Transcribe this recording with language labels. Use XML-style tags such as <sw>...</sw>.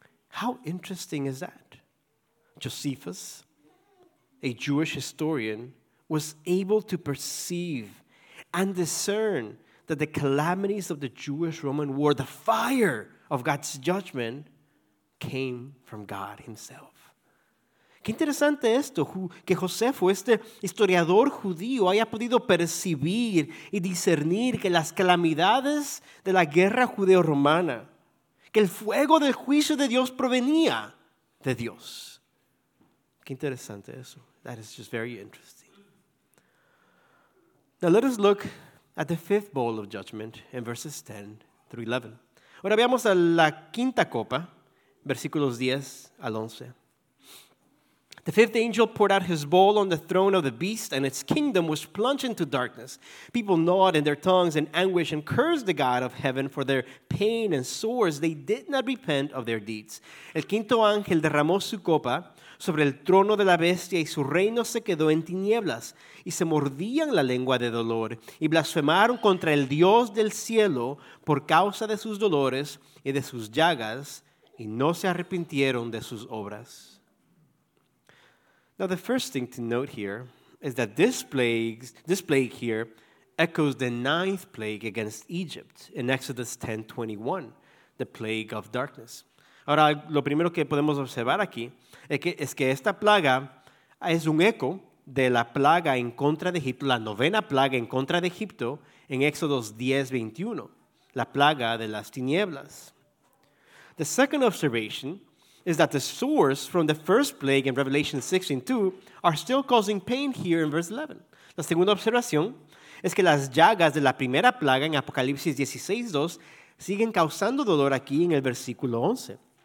<en>How interesting is that? Josephus, a Jewish historian, was able to perceive and discern that the calamities of the Jewish-Roman War, the fire of God's judgment, came from God himself.</en> <es>Qué interesante esto, que Josefo, este historiador judío, haya podido percibir y discernir que las calamidades de la guerra judeo-romana, que el fuego del juicio de Dios provenía de Dios. Qué interesante eso.</es> <en>That is just very interesting. Now let us look at the fifth bowl of judgment in verses 10 through 11.</en> <es>Ahora veamos a la quinta copa, versículos 10 al 11.</es> <en>The fifth angel poured out his bowl on the throne of the beast, and its kingdom was plunged into darkness. People gnawed in their tongues in anguish and cursed the God of heaven for their pain and sores. They did not repent of their deeds.</en> <es>El quinto ángel derramó su copa sobre el trono de la bestia, y su reino se quedó en tinieblas, y se mordían la lengua de dolor, y blasfemaron contra el Dios del cielo por causa de sus dolores y de sus llagas, y no se arrepintieron de sus obras.</es> <en>Now, the first thing to note here is that this plague here echoes the ninth plague against Egypt in Exodus 10:21, the plague of darkness.</en> <es>Ahora, lo primero que podemos observar aquí es que esta plaga es un eco de la plaga en contra de Egipto, la novena plaga en contra de Egipto en Exodus 10:21, la plaga de las tinieblas.</es> <en>The second observation is that the sores from the first plague in Revelation 16:2 are still causing pain here in verse 11.</en> <es>La segunda observación es que las llagas de la primera plaga en Apocalipsis 16:2 siguen causando dolor aquí en el versículo 11.</es>